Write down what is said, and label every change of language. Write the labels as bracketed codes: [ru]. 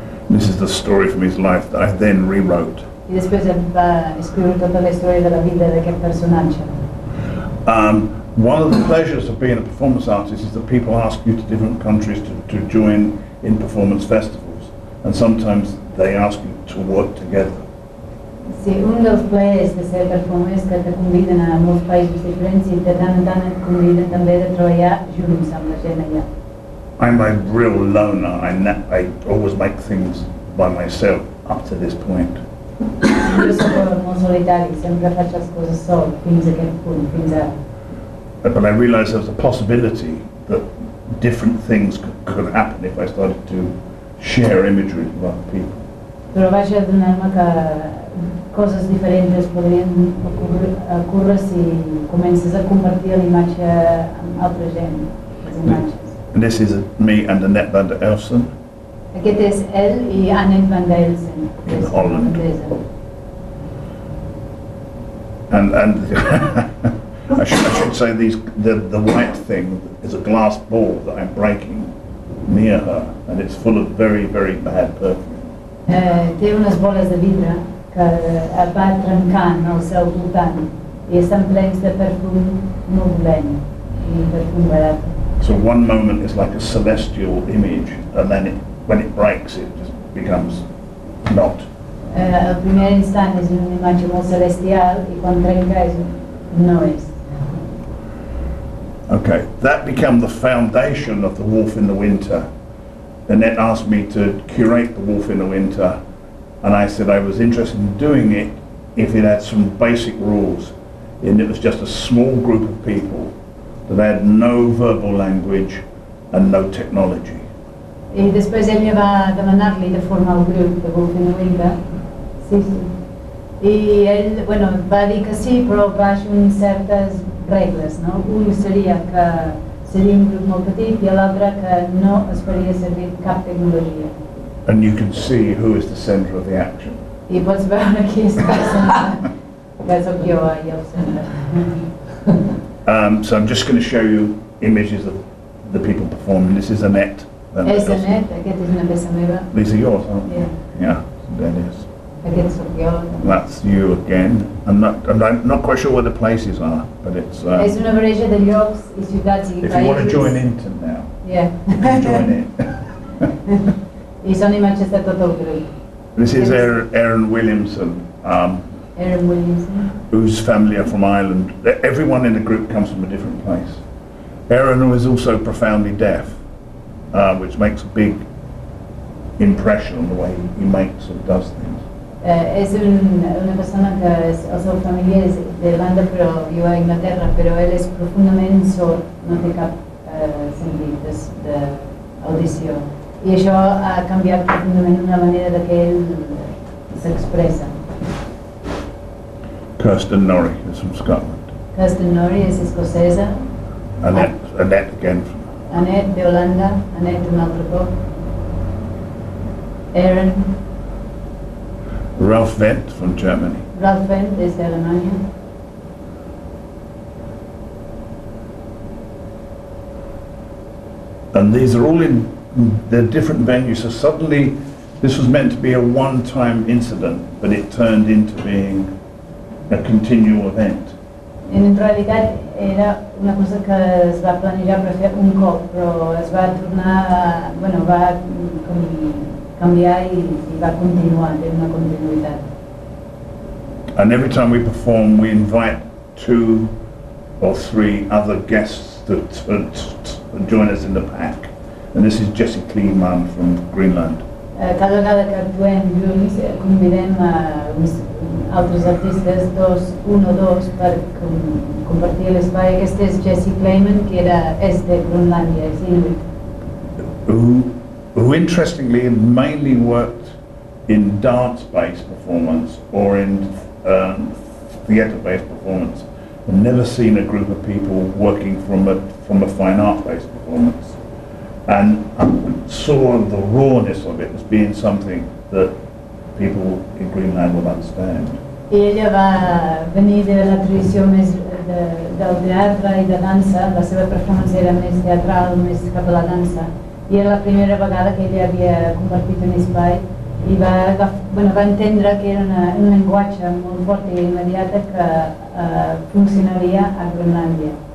[en] This is the story from his life that I then rewrote. [ca] I després va escriure tota la història de la vida d'aquest personatge. [en] One of the pleasures of being a performance artist is that people ask you to different countries to join in performance festivals, and sometimes they ask you to work together. [ca] Sí, un dels plaers de ser performer és que te conviden a molts països diferents i de tant en tant et conviden també de treballar junts amb la gent allà. [en] I'm a real loner. I always make things by myself up to this point. [ca] Jo soc molt solitari, sempre faig les coses sol fins a aquest punt, fins a... [en] But I realized there was a possibility that different things could happen if I started to share imagery with other people. [ca] Però vaig adonar-me que coses diferents podrien ocórrer si comences a compartir l'imatge amb altra gent, les imatges. [en] And this is me and Annette van der Elsen. [ca] Aquest és ell i Annette van der Elsen. [en] In Holland. And I should say the white thing is a glass ball that I'm breaking near her, and it's full of very, very bad perfume. [ca] Té unes boles de vidre que va trencant al seu voltant i estan plens de perfum nublent, perfum barat. [en] So one moment is like a celestial image, and then when it breaks, it just becomes not. [ca] El primer instant és una imatge molt celestial i quan trenca no és. [en] Okay, that became the foundation of The Wolf in the Winter. Annette asked me to curate The Wolf in the Winter, and I said I was interested in doing it if it had some basic rules, and it was just a small group of people that had no verbal language and no technology. [ca] I després ell va demanar-li de formar el grup The Wolf in the Winter. Sí, sí. I ell, bueno, va dir que sí, però baix un certes regles, no? Un seria que seria un grup molt petit i l'altre que no es faria servir cap tecnologia. [en] And you can see who is the center of the action. [ca] I pots veure qui és el centre. Que sóc jo i el centre. [en] So I'm just going to show you images of the people performing. This is Annette. [ca] És Annette, aquest és una peça meva. [en] These are yours, aren't they? Yeah. Yeah, there it is. [ca] Aquest sóc jo. [en] That's you again. I'm not quite sure where the places are, but it's... [ca] És una barreja de llocs i ciutats i països. [en] If you want to join in to now, yeah. You can join in. [ca] I són imatges de tot el grup. [en] This is Aaron Williamson. Aaron Williamson. Whose family are from Ireland. Everyone in the group comes from a different place. Aaron is also profoundly deaf, which makes a big impression on the way he makes or does things. [ca] És una persona que el seu família és d'Irlanda però viu a Anglaterra, però ell és profundament sord, no té cap sentit d'audició. I això ha canviat profundament una manera que ell s'expressa. [en] Kirsten Norrie is from Scotland. [ca] Kirsten Norrie és escocesa. [en] Annette again. [ca] Annette d'Holanda, Annette un altre cop. [en] Aaron. Ralph Wendt from Germany. [es] Ralph Fiennes es de Alemania. [en] And these are all in their different venues. So suddenly, this was meant to be a one-time incident, but it turned into being a continual event. [ca] En realitat era una cosa que es va planejar per fer un cop, però es va tornar, bueno, va canviar i va continuar, té una continuïtat. [en] And every time we perform, we invite two or three other guests to join us in the pack. And this is Jesse Kleemann from Greenland. [ca] Cada vegada que actuem junts, convidem a altres artistes, dos, un o dos, per compartir l'espai. Aquest és Jesse Kleemann, que era est de Groenlàndia, és Inuit. [en] Who interestingly mainly worked in dance-based performance or in theatre-based performance. I've never seen a group of people working from a fine art-based performance. And I saw the rawness of it as being something that people in Greenland would understand. [ca] I ella va venir de la tradició més del teatre i de dansa. La seva performance era més teatral, més cap a la dansa. I era la primera vegada que ella havia compartit un espai i va entendre que era un llenguatge molt fort i immediat que funcionaria a Groenlàndia.